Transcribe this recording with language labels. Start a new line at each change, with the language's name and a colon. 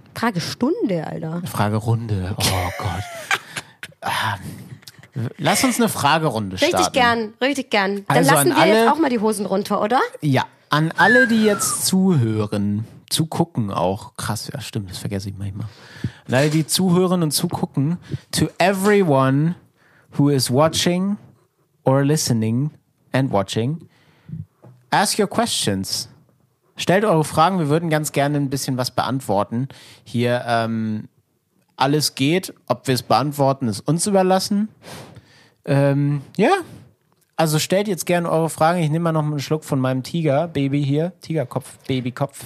German: Fragestunde, Alter. Fragerunde, oh Gott. Lass uns eine Fragerunde starten. Richtig gern. Dann also lassen wir alle, jetzt auch mal die Hosen runter, oder? Ja, an alle, die jetzt zuhören, zugucken auch. Krass, ja stimmt, das vergesse ich manchmal. An alle, die zuhören und zugucken.
English: To everyone who is watching or listening and watching, ask your questions.
German: Stellt eure Fragen, wir würden ganz gerne ein bisschen was beantworten. Hier alles geht, ob wir es beantworten, ist uns überlassen. Ja, also stellt jetzt gerne eure Fragen. Ich nehme mal noch einen Schluck von meinem Tiger-Baby hier. Tigerkopf, Babykopf.